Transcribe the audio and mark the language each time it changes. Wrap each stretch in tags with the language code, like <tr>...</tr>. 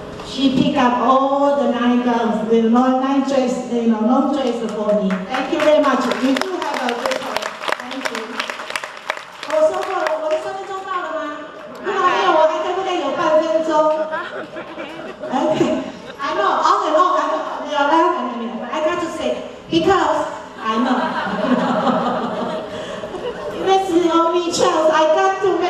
<en>She picked up all the nine gowns, the nine dress, you know, long dress for me. Thank you very much. You do have a great time. Thank you.</en> <zh>我说过了，我的三分钟到了吗？如果没有，我还可不可以有半分钟？</zh> <en>Okay, I know, all the long, I know, I got to say, because I know. This is the only chance I got to make.</en>